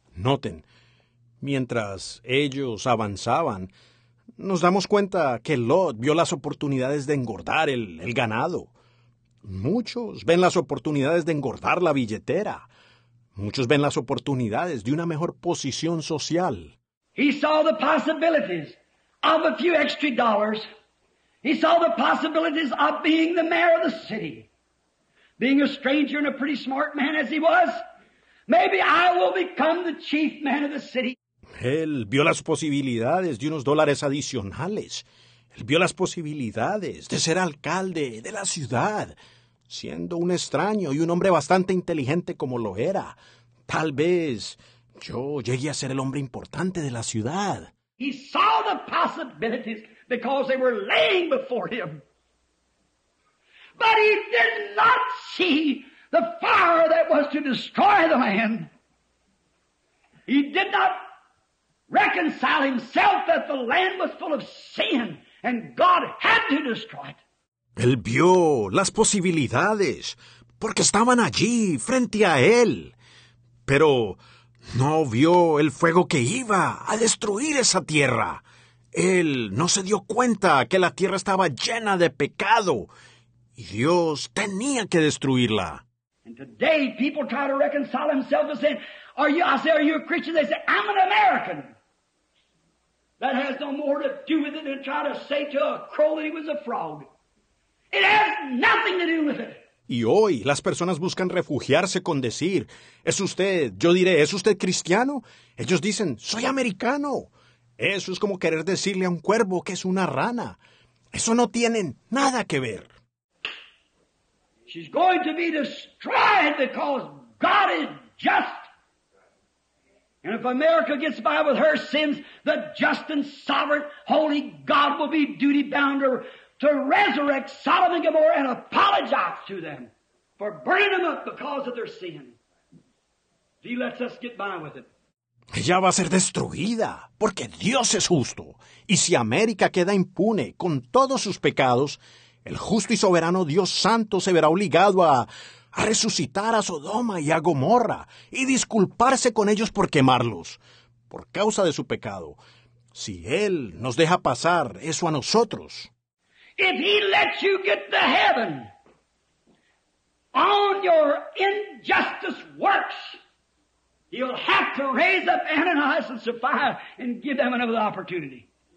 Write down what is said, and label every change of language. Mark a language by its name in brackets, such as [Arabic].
[Spanish] Noten, mientras ellos avanzaban, nos damos cuenta que Lot vio las oportunidades de engordar el ganado. Muchos ven las oportunidades de engordar la billetera. Muchos ven las oportunidades de una mejor posición social. [English] He saw the possibilities of a few extra dollars. He saw the possibilities of being the mayor of the city. Being a stranger and a pretty smart man as he was, maybe I will become the chief man of the city. [Spanish] Él vio las posibilidades de unos dólares adicionales. Él vio las posibilidades de ser alcalde de la ciudad. Siendo un extraño y un hombre bastante inteligente como lo era, tal vez yo llegué a ser el hombre importante de la ciudad. [English] He saw the possibilities because they were laying before him. But he did not see the fire that was to destroy the land. He did not reconcile himself that the land was full of sin and God had to destroy it. [Spanish] Él vio las posibilidades, porque estaban allí, frente a él. Pero no vio el fuego que iba a destruir esa tierra. Él no se dio cuenta que la tierra estaba llena de pecado, y Dios tenía que destruirla. [English] And today people try to reconcile themselves and say, are you a Christian? They say, I'm an American. That has no more to do with it than try to say to a crow that he was a frog. It has nothing to do with it. [Spanish] Y hoy las personas buscan refugiarse con decir, ¿es usted, yo diré, ¿es usted cristiano? Ellos dicen, soy americano. Eso es como querer decirle a un cuervo que es una rana. Eso no tiene nada que ver. [English] She's going to be destroyed because God is just. And if America gets by with her sins, the just and sovereign holy God will be duty bound to resurrect Sodom and Gomorrah and apologize to them for burning them up because of their sin. If he lets us get by with it. [Spanish] Ella va a ser destruida, porque Dios es justo. Y si América queda impune con todos sus pecados, el justo y soberano Dios Santo se verá obligado a resucitar a Sodoma y a Gomorra y disculparse con ellos por quemarlos, por causa de su pecado. Si Él nos deja pasar eso a nosotros. [English] If he lets you get to heaven on your injustice works, you'll have to raise up Ananias and Sapphira and give them another opportunity.